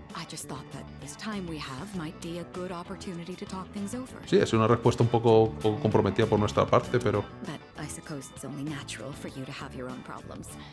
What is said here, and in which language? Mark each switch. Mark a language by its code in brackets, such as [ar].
[en] I just thought that this time we have might be a good opportunity to talk things over. [es] Sí, es una respuesta un poco comprometida por nuestra parte, pero [en] but I suppose it's only natural for you to have your own problems.